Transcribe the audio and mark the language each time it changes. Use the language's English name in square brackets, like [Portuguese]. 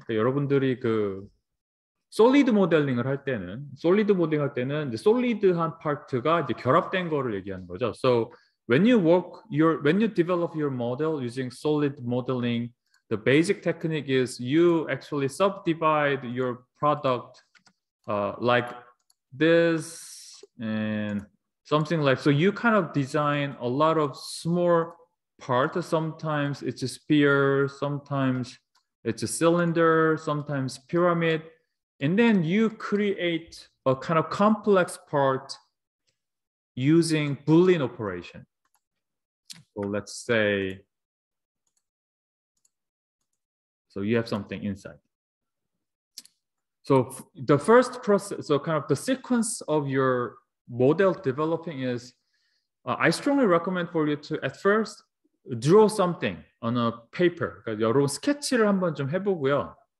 [Korean] 그러니까 여러분들이 그 솔리드 모델링을 할 때는 솔리드 모델링 할 때는 이제 솔리드한 파트가 이제 결합된 거를 얘기하는 거죠. [English] So when you work your when you develop your model using solid modeling, the basic technique is you actually subdivide your product like this and something like so you kind of design a lot of small parts. Sometimes it's a sphere, sometimes it's a cylinder, sometimes pyramid. And then you create a kind of complex part using Boolean operation. So let's say, so you have something inside. So the first process, so kind of the sequence of your model developing is, I strongly recommend for you to at first draw something on a paper. [Korean] 여러분 스케치를 한번 좀 해보고요.